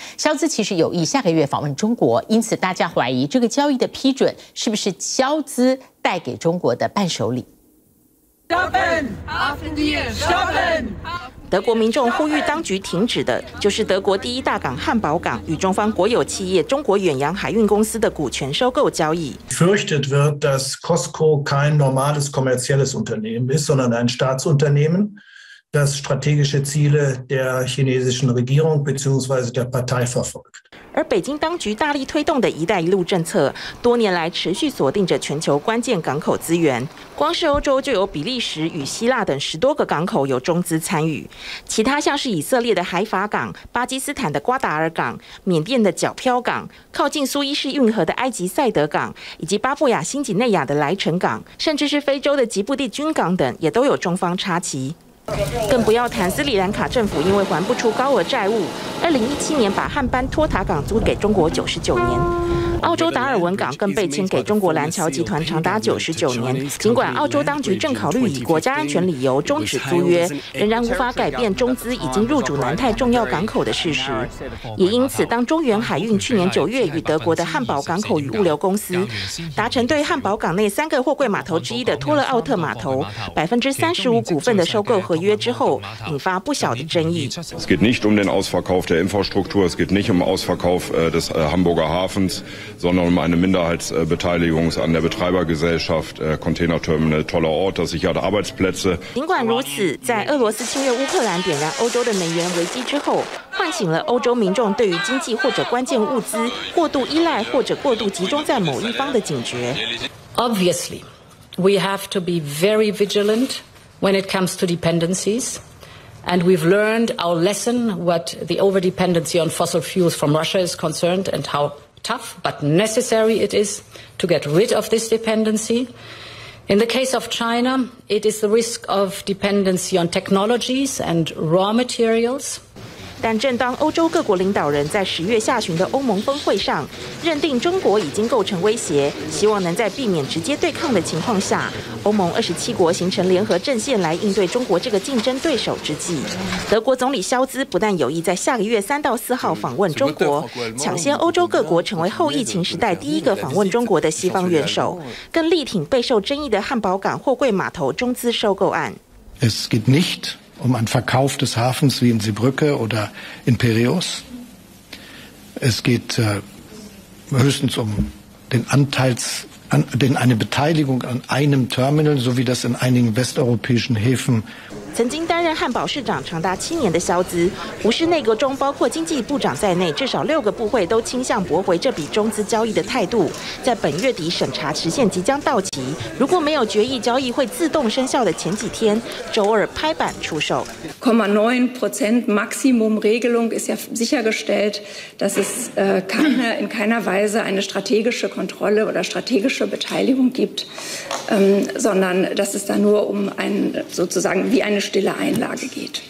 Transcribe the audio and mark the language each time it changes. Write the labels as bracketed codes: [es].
[zh] 肖兹其实有意下个月访问中国，因此大家怀疑这个交易的批准是不是肖兹带给中国的伴手礼。德国民众呼吁当局停止的就是德国第一大港汉堡港与中方国有企业中国远洋海运公司的股权收购交易。 [de] Fürchtet wird, dass Costco kein normales kommerzielles Unternehmen ist, sondern ein Staatsunternehmen, das strategische Ziele der chinesischen Regierung bzw. der Partei verfolgt. [zh] 而北京当局大力推动的一带一路政策，多年来持续锁定着全球关键港口资源。光是欧洲就有比利时与希腊等10多个港口有中资参与，其他像是以色列的海法港、巴基斯坦的瓜达尔港、缅甸的皎漂港、靠近苏伊士运河的埃及塞德港，以及巴布亚新几内亚的莱城港，甚至是非洲的吉布地军港等，也都有中方插旗。更不要谈斯里兰卡政府因为还不出高额债务，2017年把汉班托塔港租给中国99年。澳洲达尔文港更被签给中国蓝桥集团长达99年，尽管澳洲当局正考虑以国家安全理由终止租约，仍然无法改变中资已经入主南太重要港口的事实。也因此，当中原海运去年9月与德国的汉堡港口与物流公司达成对汉堡港内3个货柜码头之一的托勒奥特码头35%股份的收购合约之后，引发不小的争议。 [de] Es geht nicht den Ausverkauf der Infrastruktur, es geht nicht Ausverkauf des Hamburger Hafens, sondern eine Minderheitsbeteiligung an der Betreibergesellschaft Container Terminal, toller Ort, das sichert Arbeitsplätze. [zh] 尽管如此，在俄罗斯侵略乌克兰点燃欧洲的能源危机之后，唤醒了欧洲民众对于经济或者关键物资过度依赖或者过度集中在某一方的警觉。 [en] Obviously, we have to be very vigilant when it comes to dependencies. And we've learned our lesson, what the overdependency on fossil fuels from Russia is concerned, and how tough but necessary it is to get rid of this dependency. In the case of China, it is the risk of dependency on technologies and raw materials. [zh] 但正当欧洲各国领导人在10月下旬的欧盟峰会上认定中国已经构成威胁，希望能在避免直接对抗的情况下，欧盟27国形成联合阵线来应对中国这个竞争对手之际，德国总理肖兹不但有意在下个月3到4号访问中国，抢先欧洲各国成为后疫情时代第一个访问中国的西方元首，更力挺备受争议的汉堡港货柜码头中资收购案。 [de] Es geht nichtein Verkauf des Hafens wie in Seebrücke oder in Piräus. Es geht höchstens den Anteils, eine Beteiligung an einem Terminal, so wie das in einigen westeuropäischen Häfen. [zh] 曾经担任汉堡市长长达7年的肖兹，胡适内阁中包括经济部长在内，至少6个部会都倾向驳回这笔中资交易的态度。在本月底审查期限即将到期，如果没有决议，交易会自动生效的前几天，周二拍板出售。 [de] 9% Maximum Regelung ist ja sichergestellt, dass es in keiner Weise eine strategische Kontrolle oder strategische Beteiligung gibt, sondern dass es da nur um ein sozusagen wie ein eine stille Einlage geht.